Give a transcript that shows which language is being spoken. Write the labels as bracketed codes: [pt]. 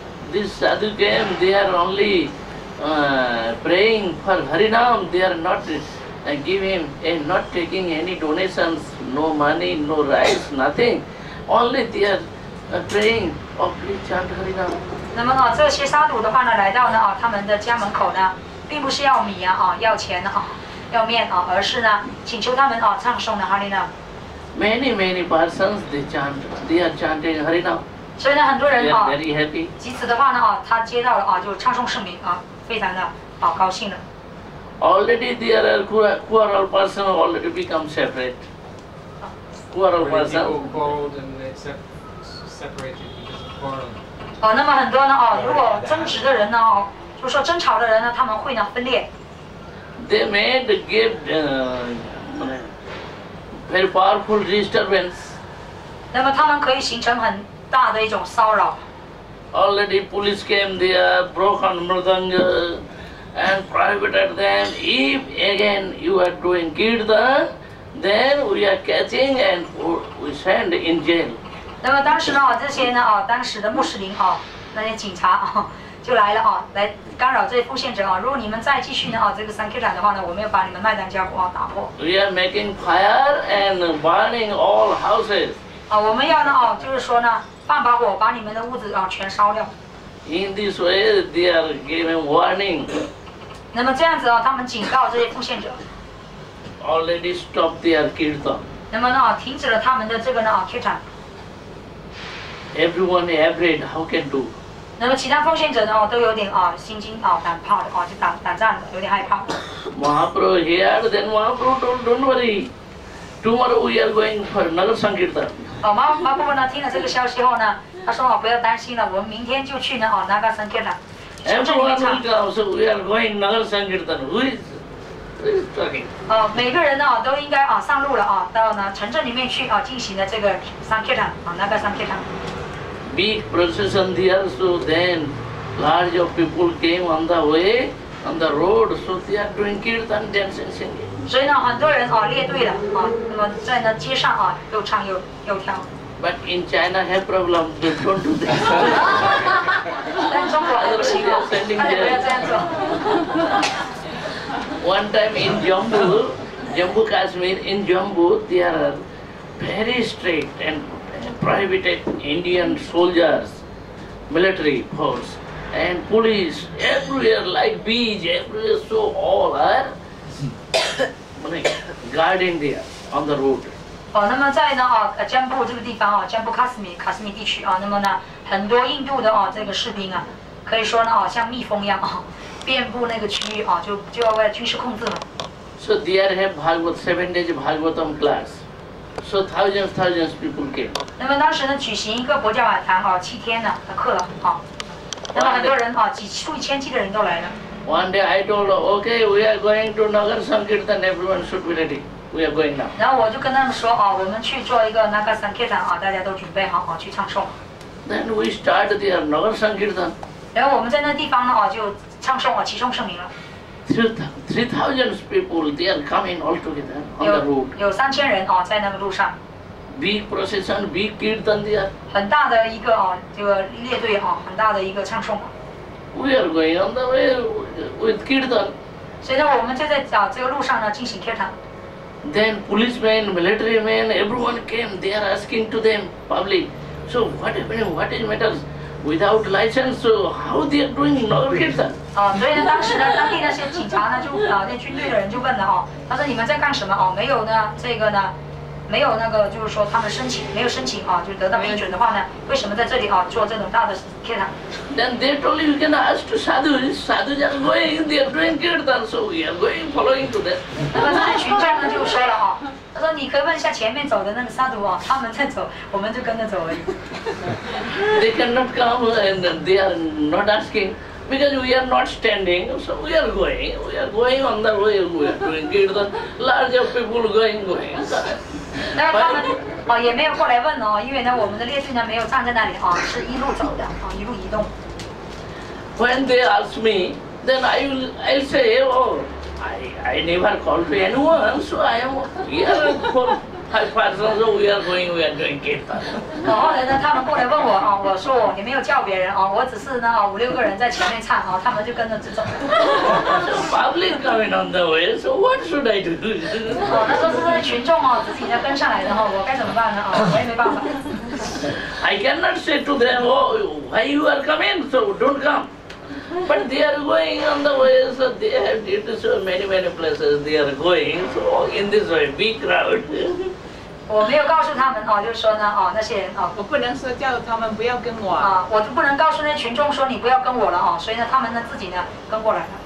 [en] These sadhu came, they are only praying for Harinam, they are not giving and not taking any donations, no money, no rice, nothing. Only they are praying, oh please chant Harinam. [zh] 那么这些沙土的话呢，来到呢他们的家门口呢，并不是要米啊，要钱啊，要面啊，而是呢，请求他们啊唱诵的哈利呢。 [en] Many persons they chant, they are chanting Harinam. [zh] 所以呢，很多人啊、 [en] very happy. [zh] 即此的话呢，他接到了就唱诵圣名啊，非常的高兴的。 [en] Already there are quarrel person already become separate. Quarrel person. People quarreled and separated because of quarrel. [zh] 那么很多呢如果争执的人呢就是说争吵的人呢，他们会呢分裂。 [en] They made give very powerful disturbance. [zh] 那么他们可以形成很大的一种骚扰。 [en] Already police came there, broke on mridanga. And prohibited them. If again you are doing girda, then we are catching and we send in jail. [zh] 那么当时呢，这些呢，当时的穆斯林那些警察就来了来干扰这些奉献者如果你们再继续呢这个Sankirtan的话呢，我们要把你们麦当加打破。 [en] We are making fire and burning all houses. [zh] 我们要呢就是说呢，放把火把你们的屋子全烧掉。 [en] In this way, they are given warning. [zh] 那么这样子他们警告这些奉献者。 [en] Already stopped their kirtan. [zh] 那么呢，停止了他们的这个呢kirtan。 [en] Everyone afraid, how can do? [zh] 那么其他奉献者呢都有点心惊胆怕的就胆战的，有点害怕。 [en] Mahaprabhu heard, then Mahaprabhu don't worry. Tomorrow we are going for another sankirtan. [zh] Mahaprabhu 呢听了这个消息后呢。他说不要担心了，我们明天就去那那个圣殿了。 [en] Everyone will go. We are going to the sankirtan. Who is talking? [zh] 每个人呢都应该上路了到呢城镇里面去进行的这个sankirtan那个sankirtan。 [en] Big procession there, so then large of people came on the way on the road, so they are doing kirtan dancing singing. [zh] 所以呢，很多人列队了那么在那街上又唱又跳。 [en] But in China, have problem. They don't do this. But in China, they are sending there. One time in Jammu Kashmir, in Jammu, they are very strict and prohibited Indian soldiers, military force, and police everywhere, like bees everywhere. So all are guarding there on the road. [zh] 那么在呢江布这个地方江布卡斯米地区那么呢很多印度的这个士兵可以说呢像蜜蜂一样遍布那个区域就要为军事控制了。 [en] So there have Bhagavad, 7 days Bhagavatam class. So thousands people came. [zh] 那么当时呢举行一个佛教法坛7天呢的课了那么很多人数千计的人都来了。 [en] One day I told her, okay, we are going to Nagar Sankirtan, everyone should be ready. We are going now. [zh] 然后我就跟他们说我们去做一个那个Sankirtan大家都准备好去唱诵。 [en] Then we start the Nagar Sankirtan. [zh] 然后我们在那地方呢就唱诵其中圣名了。 [en] 3,000 people they are coming all together on the road. [zh] 有3000人在那个路上。 [en] Big procession, big kirtan there. [zh] 很大的一个这个列队很大的一个唱诵。 [en] We are going on the way with kirtan. [zh] 所以呢，我们就在这个路上呢进行kirtan。 [en] Then policemen, military men, everyone came. They are asking to them public. So what happened? What is matters? Without license, so how they are doing Nagar Kirtan? [zh] 所以呢，当时呢，当地那些警察呢，就那军队的人就问了他说你们在干什么没有呢，这个呢，没有那个，就是说他们申请没有申请就得到批准的话呢，为什么在这里做这种大的 Kirtan? [en] Then they told you can ask to sadhu. Sadhu are going, they are doing Kirtan, so we are going following to them. [zh] 他说你可以问一下前面走的那个沙土他们在走我们就跟着走而已。 [en] They cannot come and they are not asking because we are not standing, so we are going. We are going on the way, we are doing kirtan. Large of people going. [zh] 但是他们也没有过来问因为呢我们的列队呢没有站在那里是一路走的一路移动。 [en] When they ask me, then I'll say, I never called to anyone, so I am here for 5 persons, so we are going, we are doing kirtan. [zh] 后来呢，他们过来问我我说我也没有叫别人我只是呢5-6个人在前面唱他们就跟着走。 [en] So public coming on the way, so what should I do? [zh] 那时候是群众自己在跟上来的我该怎么办呢我也没办法。 [en] I cannot say to them, why you are coming, so don't come. But they are going on the way, so they have to show many places they are going. So in this way, big crowd. [zh] 我没有告诉他们哦，就是说呢，哦，那些人哦，我不能说叫他们不要跟我啊，我就不能告诉那群众说你不要跟我了哦，所以呢，他们呢自己呢跟过来了。